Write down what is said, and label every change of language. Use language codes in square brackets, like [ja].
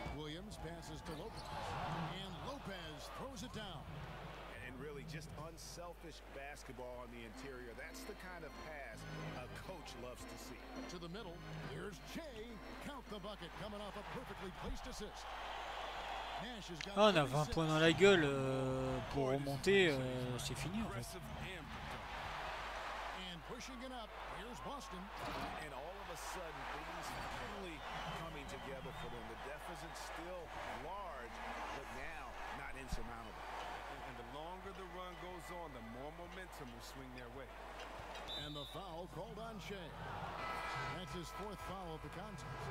[en] Williams passes to Lopez. And Lopez throws it down. And really just unselfish basketball on the interior. That's the kind of pass a coach loves to see. To the middle. Here's Jay. Count the bucket coming off a perfectly placed assist. Nash has got on a 20 points [fr] dans la gueule pour remonter, c'est fini en fait. [en] And pushing it up, here's Boston. And all of a sudden things finally coming together for them. The deficit still large, but now not insurmountable. The run goes on, the more momentum will swing their way. And the foul called on Shea. That's his fourth foul of the contest.